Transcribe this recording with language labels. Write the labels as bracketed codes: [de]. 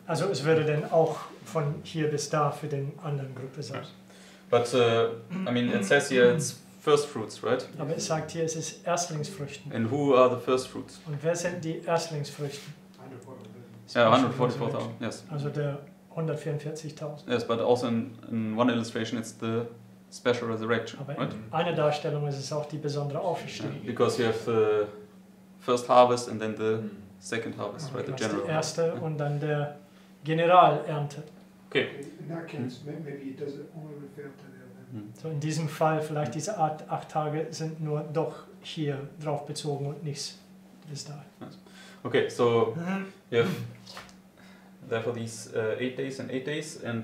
[de] Also es würde dann auch von hier bis da für den anderen Gruppe sein. [en] Right. But I mean it says here it's first fruits, right? [de] Aber es sagt hier es ist Erstlingsfrüchten. [en] And who are the first fruits? [de] Und wer sind die Erstlingsfrüchten? [en] 144,000. Yes. [de] Also der 144,000. [en] Yes, but also in one illustration it's the special resurrection. [de] Aber [en] right? [de] In einer Darstellung ist es auch die besondere Auferstehung. [en] Yeah, because you have the first harvest and then the second harvest, right? The general. [de] Die erste harvest. Und dann der General erntet. [en] Okay. In that case, maybe it doesn't only refer to there. [de] So in diesem Fall vielleicht diese 8 Tage sind nur doch hier drauf bezogen und nichts bis da. [en] Yes. Okay, so you have therefore these 8 days and 8 days and